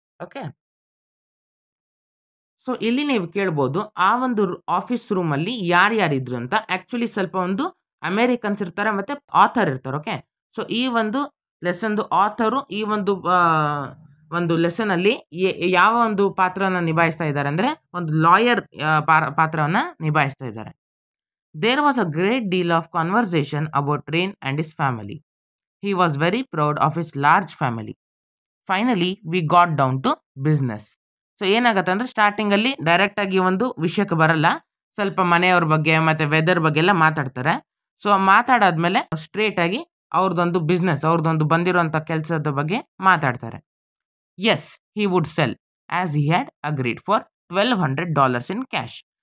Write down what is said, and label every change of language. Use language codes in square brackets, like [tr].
[kn] Okay, so ಇಲ್ಲಿ ನೀವು ಕೇಳ್ಬೋದು ಆ ಒಂದು ಆಫೀಸ್ ರೂಮಲ್ಲಿ ಯಾರ್ಯಾರಿದ್ರು ಅಂತ. ಆ್ಯಕ್ಚುಲಿ ಸ್ವಲ್ಪ ಒಂದು ಅಮೇರಿಕನ್ಸ್ ಇರ್ತಾರೆ ಮತ್ತು ಆಥರ್ ಇರ್ತಾರೆ. ಓಕೆ, ಸೊ ಈ ಒಂದು ಲೆಸನ್ದು ಆಥರು ಈ ಒಂದು ಒಂದು ಲೆಸನಲ್ಲಿ ಯಾವ ಒಂದು ಪಾತ್ರವನ್ನು ನಿಭಾಯಿಸ್ತಾ ಇದ್ದಾರೆ ಅಂದರೆ ಒಂದು ಲಾಯರ್ ಪಾತ್ರವನ್ನು ನಿಭಾಯಿಸ್ತಾ ಇದ್ದಾರೆ. [en] There was a great deal of conversation about Rain and his family. He was very proud of his large family. Finally, we got down to business. [kn] So, ಏನಾಗುತ್ತೆ ಅಂದರೆ ಸ್ಟಾರ್ಟಿಂಗಲ್ಲಿ ಡೈರೆಕ್ಟಾಗಿ ಒಂದು ವಿಷಯಕ್ಕೆ ಬರಲ್ಲ, ಸ್ವಲ್ಪ ಮನೆಯವ್ರ ಬಗ್ಗೆ ಮತ್ತು ವೆದರ್ ಬಗ್ಗೆ ಎಲ್ಲ ಮಾತಾಡ್ತಾರೆ. ಸೊ ಮಾತಾಡಾದ್ಮೇಲೆ ಸ್ಟ್ರೇಟಾಗಿ ಅವ್ರದ್ದೊಂದು ಬಿಸ್ನೆಸ್, ಅವ್ರದ್ದೊಂದು ಬಂದಿರುವಂಥ ಕೆಲಸದ ಬಗ್ಗೆ ಮಾತಾಡ್ತಾರೆ. [en] Yes, he would sell as he had agreed for $1200 in cash.